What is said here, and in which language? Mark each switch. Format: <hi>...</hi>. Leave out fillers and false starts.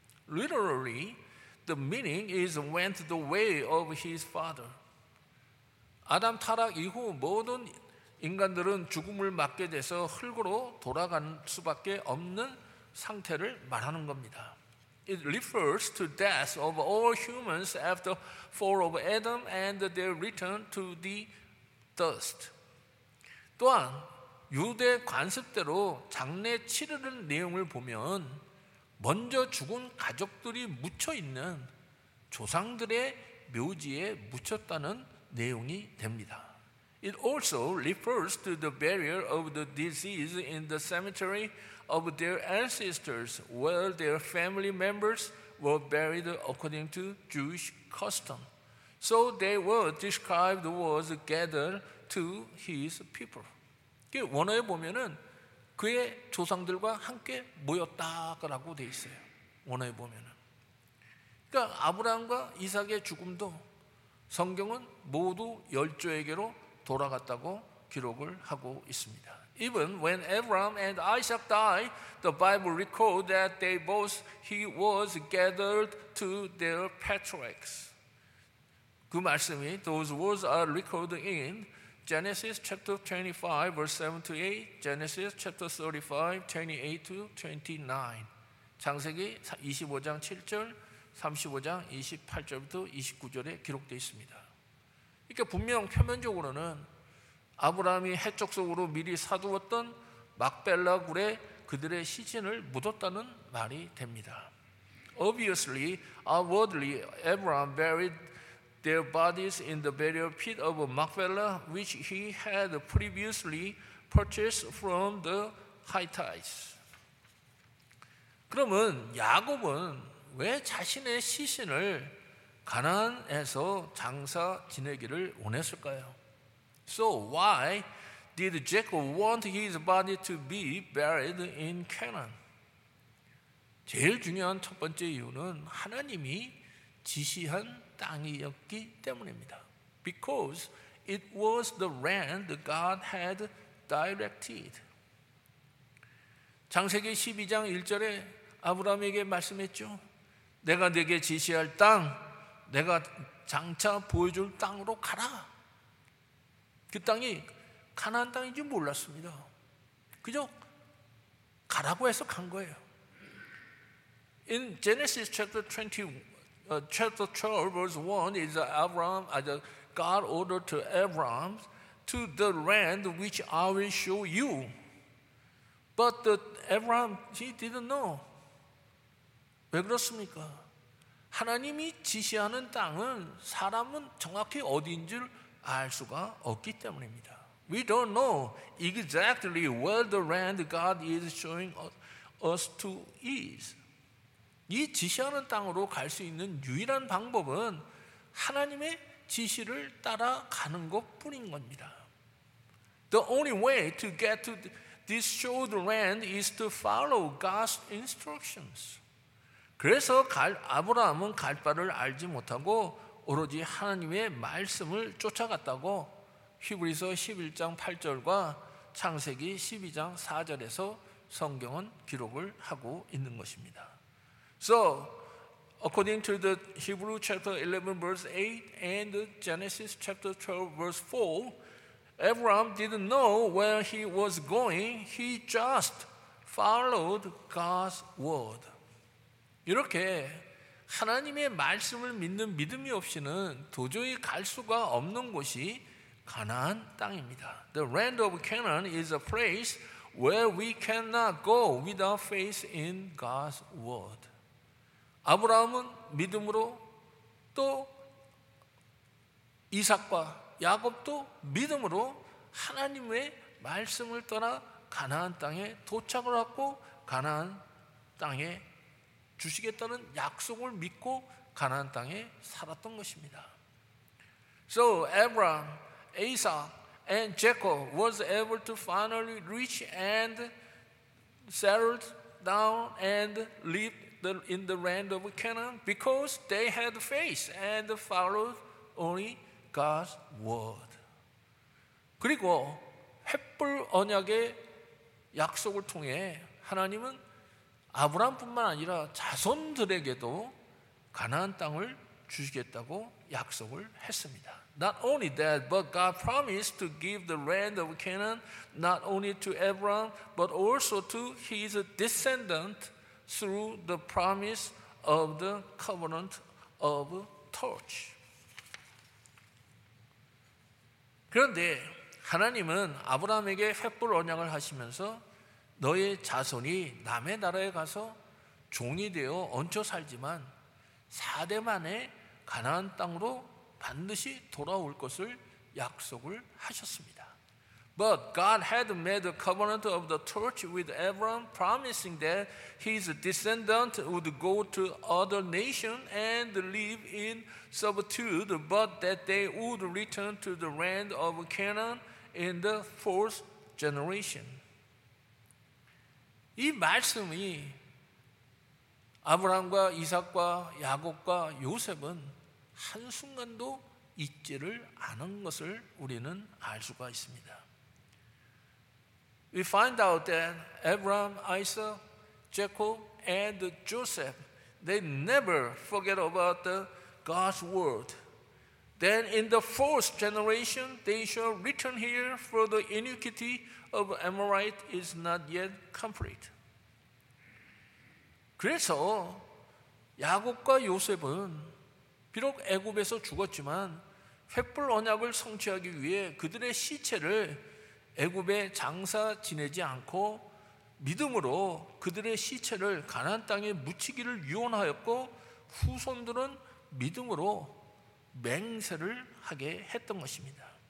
<en>Literally, the meaning is went the way of his father.</en> <ko>아담 타락 이후 모든 인간들은 죽음을 맞게 돼서 흙으로 돌아간 수밖에 없는 상태를 말하는 겁니다.</ko> <en>It refers to death of all humans after fall of Adam and their return to the dust.</en> <ko>또한 유대 관습대로 장례 치르는 내용을 보면 먼저 죽은 가족들이 묻혀 있는 조상들의 묘지에 묻혔다는 내용이 됩니다.</ko> <en>It also refers to the burial of the deceased in the cemetery of their ancestors where their family members were buried according to Jewish custom. So they were described as gathered to his people.</en> <ko>원어에 보면은 그의 조상들과 함께 모였다라고 돼 있어요. 원어에 보면은. 그러니까 아브라함과 이삭의 죽음도 성경은 모두 열조에게로 돌아갔다고 기록을 하고 있습니다.</ko> <en>Even when Abraham and Isaac died, the Bible records that they both he was gathered to their patriarchs.</en> <ko>그 말씀이</ko> <en>those words are recorded in Genesis chapter 25 verse 7 to 8, Genesis chapter 35 28 to 29.</en> <ko>창세기 25장 7절, 35장 28절부터 29절에 기록되어 있습니다. 그러니까 분명 표면적으로는 아브라함이 해쪽 속으로 미리 사두었던 막벨라 굴에 그들의 시신을 묻었다는 말이 됩니다.</ko> <en>Obviously, outwardly, Abraham buried their bodies in the burial pit of Machpelah, which he had previously purchased from the Hittites.</en> <ko>그러면 야곱은 왜 자신의 시신을 가나안에서 장사 지내기를 원했을까요?</ko> <en>So why did Jacob want his body to be buried in Canaan?</en> <ko>제일 중요한 첫 번째 이유는 하나님이 지시한 땅이었기 때문입니다.</ko> <en>Because it was the land God had directed.</en> <ko>창세기 12장 1절에 아브라함에게 말씀했죠. 내가 네게 지시할 땅, 내가 장차 보여줄 땅으로 가라. 그 땅이 가나안 땅인지 몰랐습니다. 그저 가라고 해서 간 거예요.</ko> <en>In Genesis chapter 12 verse 1 is Abraham, as God ordered to Abraham to the land which I will show you. But Abraham, he didn't know.</en> <ko>왜 그렇습니까? 하나님이 지시하는 땅은 사람은 정확히 어디인 줄 알 수가 없기 때문입니다.</ko> <en>We don't know exactly where the land God is showing us to is.</en> <ko>이 지시하는 땅으로 갈 수 있는 유일한 방법은 하나님의 지시를 따라가는 것뿐인 겁니다.</ko> <en>The only way to get to this showed land is to follow God's instructions.</en> <ko>그래서 아브라함은 갈 바를 알지 못하고 오로지 하나님의 말씀을 쫓아갔다고 히브리서 11장 8절과 창세기 12장 4절에서 성경은 기록을 하고 있는 것입니다.</ko> <en>So, according to the Hebrew chapter 11 verse 8 and the Genesis chapter 12 verse 4, Abraham didn't know where he was going. He just followed God's word.</en> <ko>이렇게 하나님의 말씀을 믿는 믿음이 없이는 도저히 갈 수가 없는 곳이 가나안 땅입니다.</ko> <en>The land of Canaan is a place where we cannot go without faith in God's word.</en> <ko>아브라함은 믿음으로 또 이삭과 야곱도 믿음으로 하나님의 말씀을 따라 가나안 땅에 도착을 하고 가나안 땅에 주시겠다는 약속을 믿고 가나안 땅에 살았던 것입니다.</ko> <en>So Abraham, Isaac, and Jacob was able to finally reach and settled down and lived in the land of Canaan because they had faith and followed only God's word.</en> <ko>그리고 횃불 언약의 약속을 통해 하나님은 아브라함뿐만 아니라 자손들에게도 가나안 땅을 주시겠다고 약속을 했습니다.</ko> <en>Not only that, but God promised to give the land of Canaan not only to Abraham, but also to his descendant through the promise of the covenant of torch.</en> <ko>그런데 하나님은 아브라함에게 횃불 언약을 하시면서 너의 자손이 남의 나라에 가서 종이 되어 얹혀 살지만 4대 만에 가나안 땅으로 반드시 돌아올 것을 약속을 하셨습니다.</ko> <en>But God had made a covenant of the torch with Abraham, promising that his descendant would go to other nations and live in servitude, but that they would return to the land of Canaan in the fourth generation.</en> <ko>이 말씀이 아브라함과 이삭과 야곱과 요셉은 한순간도 잊지를 않은 것을 우리는 알 수가 있습니다.</ko> <en>We find out that Abraham, Isaac, Jacob, and Joseph, they never forget about God's word. Then in the fourth generation, they shall return here, for the iniquity of Amorite is not yet complete.</en> <ko>그래서 야곱과 요셉은 비록 애굽에서 죽었지만 횃불 언약을 성취하기 위해 그들의 시체를 애굽에 장사 지내지 않고 믿음으로 그들의 시체를 가나안 땅에 묻히기를 유언하였고 후손들은 믿음으로 맹세를 하게 했던 것입니다.</ko>